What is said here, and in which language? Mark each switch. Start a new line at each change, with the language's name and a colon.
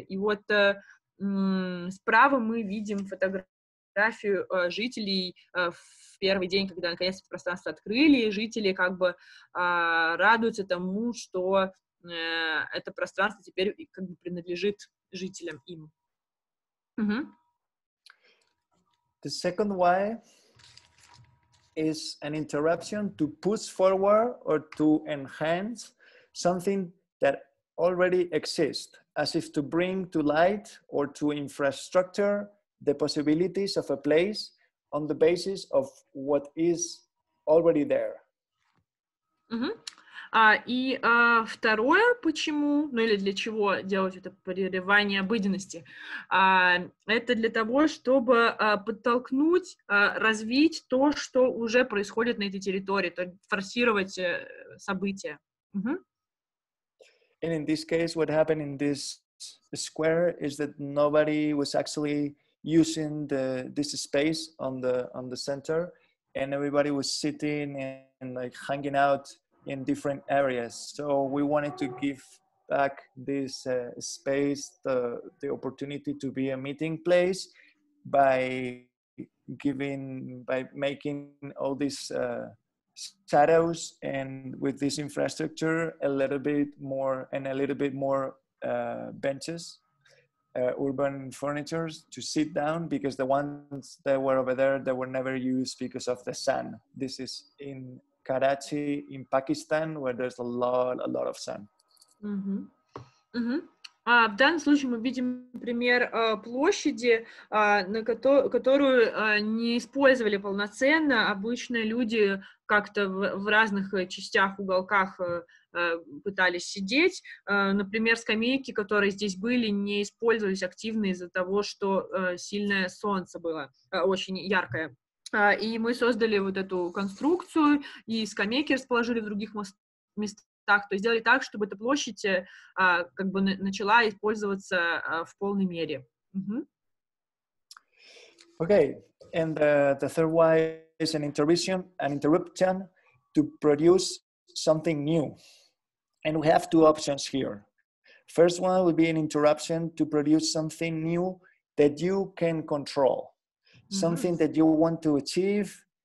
Russian: И вот справа мы видим фотографию жителей в первый день, когда наконец-то пространство открыли, и жители как бы радуются тому, что это пространство теперь как бы принадлежит жителям им. Mm-hmm.
English: The second why is an interruption to push forward or to enhance something that already exists, as if to bring to light or to infrastructure the possibilities of a place on the basis of what is already there. Mm-hmm.
Russian: И второе, почему, ну или для чего делать это прерывание обыденности, это для того, чтобы подтолкнуть, развить то, что уже происходит на этой территории, то есть форсировать события. Mm-hmm.
English: And in this case, what happened in this square is that nobody was actually using this space on the center, and everybody was sitting and like hanging out in different areas. So we wanted to give back this space the opportunity to be a meeting place by making all these shadows and with this infrastructure a little bit more benches. Urban furniture to sit down, because the ones that were over there, they were never used because of the sun. This is in Karachi, in Pakistan, where there's a lot of sun. Mm-hmm. Mm-hmm.
Russian: В данном случае мы видим пример площади, которую не использовали полноценно. Обычно люди как-то в разных частях, уголках пытались сидеть. Например, скамейки, которые здесь были, не использовались активно из-за того, что сильное солнце было, очень яркое. И мы создали вот эту конструкцию, и скамейки расположили в других местах. Так, то сделали так, чтобы эта площадь как бы начала использоваться в полной мере. Mm-hmm.
English: Okay, and the third why is an interruption to produce something new. And we have two options here. First one would be an interruption to produce something new that you can control. Mm-hmm. Something that you want to achieve